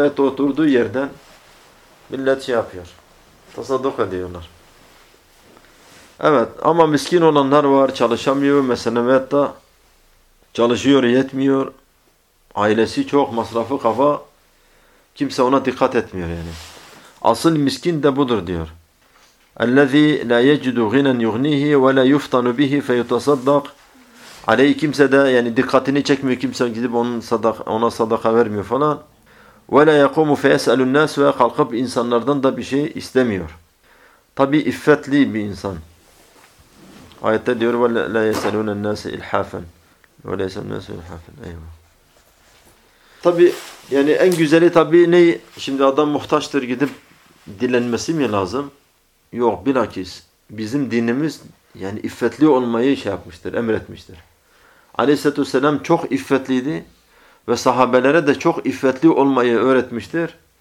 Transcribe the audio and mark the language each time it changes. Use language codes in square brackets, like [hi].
[tr] Evet oturduğu yerden millet şey yapıyor. Tasadduk ediyorlar. Evet ama miskin olanlar var. Çalışamıyor mesela veyahut da çalışıyor yetmiyor. Ailesi çok masrafı kafa. Kimse ona dikkat etmiyor yani. Asıl miskin de budur diyor. [ar] اَلَّذ۪ي لَا يَجْدُ غِنًا يُغْنِيهِ وَلَا يُفْتَنُ بِهِ فَيُتَصَدَّقْ عَلَيْهِ [tr] kimse de yani dikkatini çekmiyor. Kimse gidip onun ona sadaka vermiyor falan. [ar] وَلَا يَقُومُ فَيَسْأَلُ النَّاسِ [tr] ve kalkıp insanlardan da bir şey istemiyor. Tabi iffetli bir insan. Ayette diyor [ar] وَلَا يَسْأَلُونَ النَّاسِ اِلْحَافًا وَلَا يَسْأَلُ النَّاسِ اِلْحَافًا. [tr] Tabi yani en güzeli tabi ne? Şimdi adam muhtaçtır gidip dilenmesi mi lazım? Yok bilakis bizim dinimiz yani iffetli olmayı şey yapmıştır, emretmiştir. Aleyhisselatü vesselam çok iffetliydi ve sahabelere de çok iffetli olmayı öğretmiştir.